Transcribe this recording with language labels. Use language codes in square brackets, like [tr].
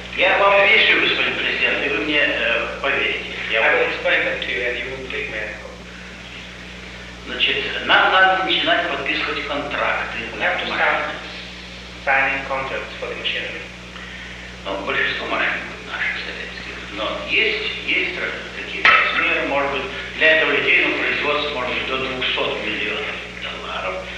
[ru] Я вам объясню, господин президент, и вы мне поверите. [en] I will explain that to you, and you will believe me. [ru] Значит, нам надо начинать подписывать контракты. [en] We have to start signing contracts for the machinery. [ru] Но большинство машин наших советских. Но есть такие размеры, может быть, для этого идейного производства, может быть, до 200 миллионов долларов.